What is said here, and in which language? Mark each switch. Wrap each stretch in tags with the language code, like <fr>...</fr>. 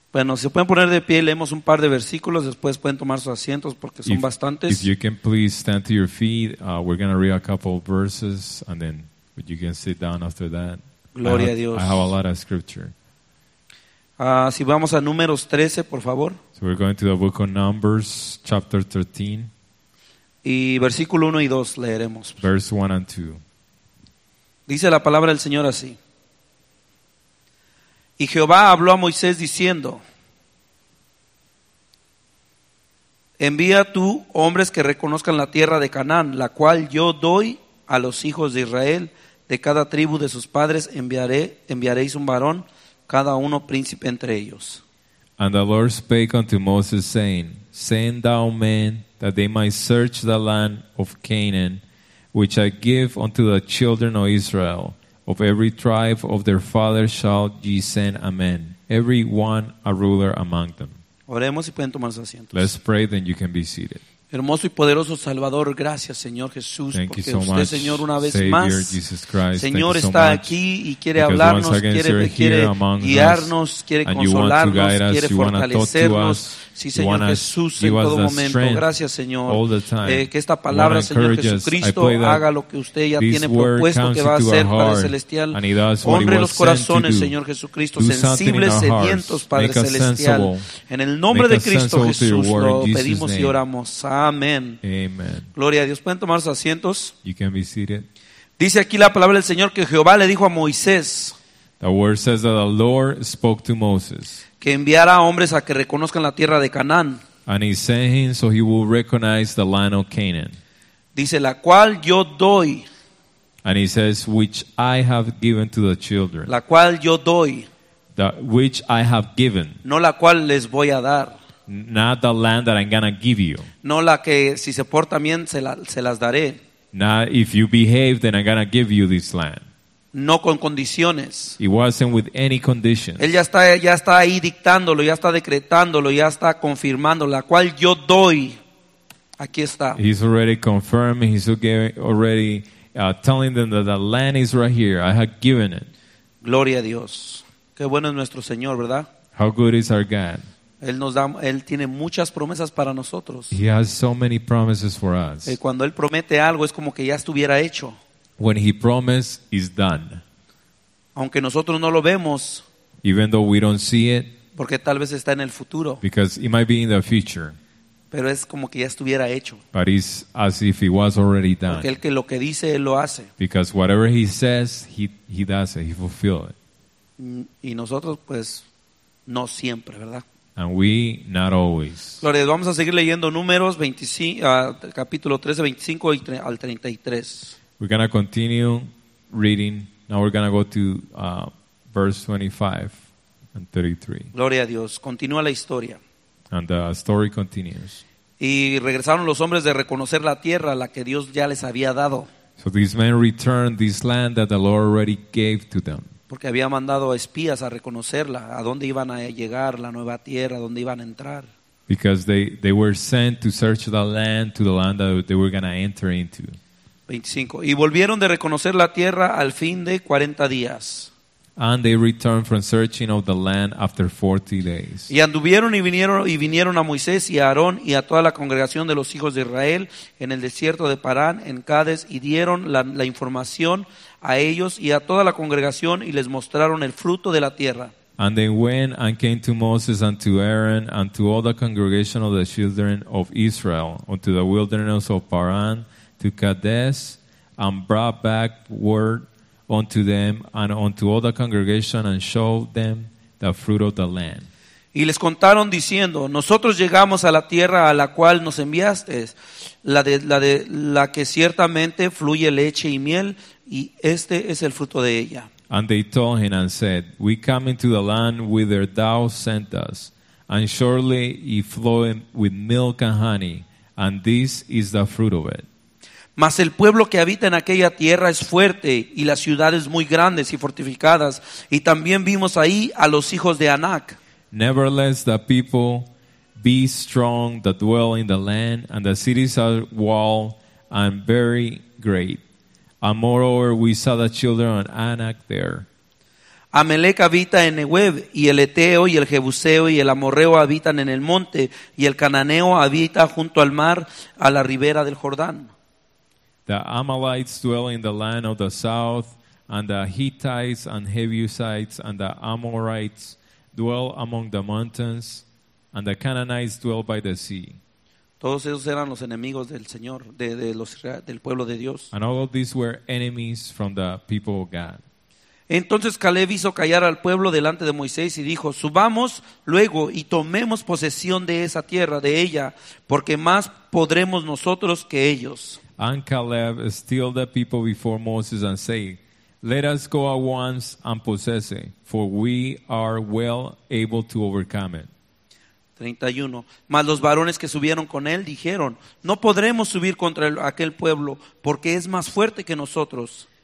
<es>Bueno, se pueden poner de pie, leemos un par de versículos, después pueden tomar sus asientos porque son bastantes.</es> <en>If you can please stand to your feet, we're going to read a couple of verses and then you can sit down after that.</en> <es>Gloria a Dios.</es> <en>I have a lot of scripture.</en> <es>Si vamos a Números 13, por favor.</es> <en>So we're going to the book of Numbers, chapter 13.</en> <es>Y versículo 1 y 2 leeremos.</es> <en>Verse 1 and 2.</en> <es>Dice la palabra del Señor así. Y Jehová habló a Moisés diciendo: Envía tú hombres que reconozcan la tierra de Canaán, la cual yo doy a los hijos de Israel. De cada tribu de sus padres enviaréis un varón, cada uno príncipe entre ellos.</es> <en>And the Lord spake unto Moses, saying, Send thou men, that they might search the land of Canaan, which I give unto the children of Israel. Of every tribe of their fathers shall ye send a man, every one a ruler among them.</en> <es>Oremos y pueden tomar sus asientos.</es> <en>Let's pray, then you can be seated.</en> <es>Hermoso y poderoso Salvador, gracias Señor Jesús,</es> <en>thank</en> <es>porque</es> <en>you so</en> <es>usted</es> <en>much,</en> <es>Señor una vez</es> <en>Savior,</en> <es>más,</es> <en>Jesus Christ,</en> <es>Señor</es> <en>so</en> <es>está aquí y quiere hablarnos, quiere guiarnos, quiere consolarnos, quiere fortalecernos. Sí, Señor Jesús, en todo momento, gracias Señor, que esta palabra, Señor Jesucristo, haga lo que usted ya tiene propuesto que va a hacer, Padre Celestial. Honre los corazones, Señor Jesucristo, sensibles, sedientos, Padre Celestial. En el nombre de Cristo Jesús lo pedimos y oramos. Amén.</es> <en>Amen.</en> <es>Gloria a Dios. ¿Pueden tomar sus asientos?</es> <en>You can be seated.</en> <es>Dice aquí la palabra del Señor que Jehová le dijo a Moisés.</es> <en>The word says that the Lord spoke to Moses.</en> <es>Que enviara hombres a que reconozcan la tierra de Canaán.</es> <en>And he sent him so he will recognize the land of Canaan.</en> <es>Dice la cual yo doy.</es> <en>And he says which I have given to the children.</en> <es>La cual yo doy.</es> <en>That which I have given.</en> <es>No la cual les voy a dar.</es> <en>Not the land that I'm gonna give you.</en> <es>No la que si se porta bien se las daré.</es> <en>Not if you behave, then I'm gonna give you this land.</en> <es>No con condiciones.</es> <en>It wasn't with any conditions.</en> <es>Él ya está ahí dictándolo, ya está decretándolo, ya está confirmando la cual yo doy. Aquí está.</es> <en>He's already confirming. He's already telling them that the land is right here. I have given it.</en> <es>Gloria a Dios. Qué bueno es nuestro Señor, ¿verdad?</es> <en>How good is our God.</en> <es>Él tiene muchas promesas para nosotros.</es> <en>He has so many promises for us.</en> <es>Cuando Él promete algo, es como que ya estuviera hecho.</es> <en>When He promises, it's done.</en> <es>Aunque nosotros no lo vemos.</es> <en>Even though we don't see it.</en> <es>Porque tal vez está en el futuro.</es> <en>Because it might be in the future.</en> <es>Pero es como que ya estuviera hecho.</es> <en>But it's as if it was already done.</en> <es>Porque Él que lo que dice, Él lo hace.</es> <en>Because whatever He says, He does it. He fulfills it.</en> <es>Y nosotros, pues, no siempre, ¿verdad?</es> <en>And we not always.</en> <es>Gloria, vamos a seguir leyendo Números 25, capítulo 13, 25 al 33.</es> <en>We're going to continue reading. Now we're going to go to verse 25 and 33.</en> <es>Gloria a Dios. Continúa la historia.</es> <en>And the story continues.</en> <es>Y regresaron los hombres de reconocer la tierra, la que Dios ya les había dado.</es> <en>So these men returned this land that the Lord already gave to them.</en> <es>Porque había mandado espías a reconocerla, a dónde iban a llegar, la nueva tierra, a dónde iban a entrar.</es> <en>Because they were sent to search the land, to the land that they were going to enter into.</en> <es>25. Y volvieron de reconocer la tierra al fin de 40 días.</es> <en>And they returned from searching of the land after 40 days.</en> <es>Y anduvieron y vinieron a Moisés y a Aarón y a toda la congregación de los hijos de Israel en el desierto de Parán, en Cades, y dieron la información a ellos y a toda la congregación y les mostraron el fruto de la tierra.</es> <en>And they went and came to Moses and to Aaron and to all the congregation of the children of Israel unto the wilderness of Paran to Cades and brought back word unto them and unto all the congregation and showed them the fruit of the land.</en> <es>Y les contaron diciendo: Nosotros llegamos a la tierra a la cual nos enviaste, la que ciertamente fluye leche y miel, y este es el fruto de ella.</es> <en>And they told him and said, We come into the land whither thou sent us, and surely it flowed with milk and honey, and this is the fruit of it.</en> <es>Mas el pueblo que habita en aquella tierra es fuerte, y las ciudades muy grandes y fortificadas, y también vimos ahí a los hijos de Anak.</es> <en>Nevertheless, the people be strong that dwell in the land, and the cities are walled and very great. And moreover, we saw the children of Anak there.</en> <es>Amalec habita en Negev, y el Eteo, y el Jebuseo, y el Amorreo habitan en el monte, y el Cananeo habita junto al mar, a la ribera del Jordán.</es> <en>The Amalites dwell in the land of the south, and the Hittites and Jebusites and the Amorites dwell among the mountains, and the Canaanites dwell by the sea.</en> <es>Todos esos eran los enemigos del Señor, del pueblo de Dios.</es> <en>And all of these were enemies from the people of God.</en> <es>Entonces Caleb hizo callar al pueblo delante de Moisés y dijo: Subamos luego y tomemos posesión de esa tierra, de ella, porque más podremos nosotros que ellos.</es> <en>And Caleb stilled the people before Moses and said, Let us go at once and possess it, for we are well able to overcome it.</en> <es>31. Mas los varones que subieron con él dijeron: No podremos subir contra aquel pueblo, porque es más fuerte que nosotros.</es>